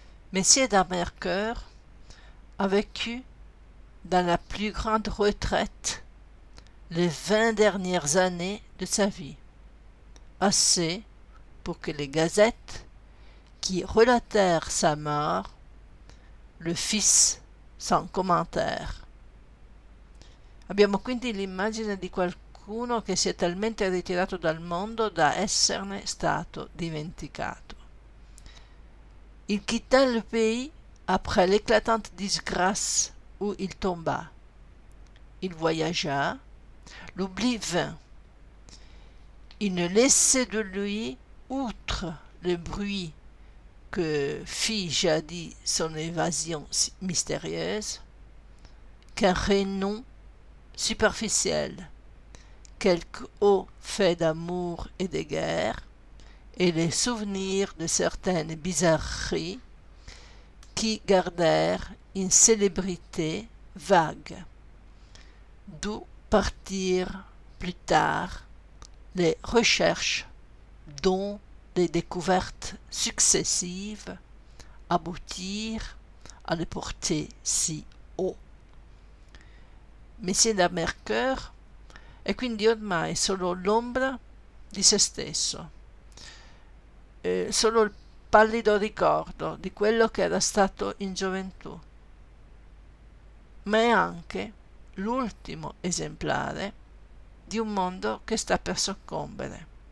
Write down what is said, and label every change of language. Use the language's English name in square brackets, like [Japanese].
[French] Monsieur Damercœur a vécu dans la plus grande retraite les 20 dernières années de sa vie, assez pour que les gazettes qui relatèrent sa mort le fissent sans commentaire. [Italian] Abbiamo quindi l'immagine di qualcuno che si è talmente ritirato dal mondo da esserne stato dimenticato. [French] Il quitta le pays après l'éclatante disgrâce où il tomba. Il voyagea, l'oubli vint. Il ne laissait de lui, outre le bruit que fit jadis son évasion mystérieuse, qu'un renom superficiel, quelque haut fait d'amour et de guerre, et les souvenirs de certaines bizarreries qui gardèrent une célébrité vague, d'où partirent plus tard les recherches dont les découvertes successives aboutirent à le porter si haut. [Italian] Monsieur Damercœur est quindi ormai solo l'ombra di se stesso, solo il pallido ricordo di quello che era stato in gioventù, ma è anche l'ultimo esemplare di un mondo che sta per soccombere.